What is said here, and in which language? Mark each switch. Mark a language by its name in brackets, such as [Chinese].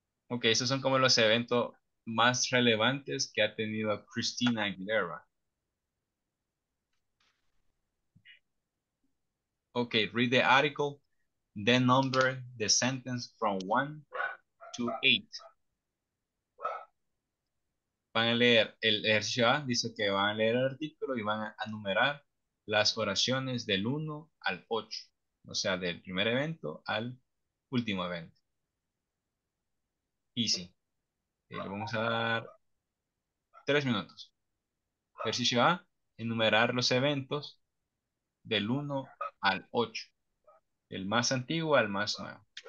[Spanish] Ok, esos son como los eventos más relevantes que ha tenido Christina Aguilera. [English] Ok, read the article, then number the sentence from 1 to 8. [Spanish] Van a leer el ejercicio, dice que van a leer el artículo y van a numerar las oraciones del 1 al 8, o sea, del primer evento al último evento. Easy. Vamos a dar 3 minutos. Ejercicio A, enumerar los eventos del 1 al 8, el más antiguo al más nuevo.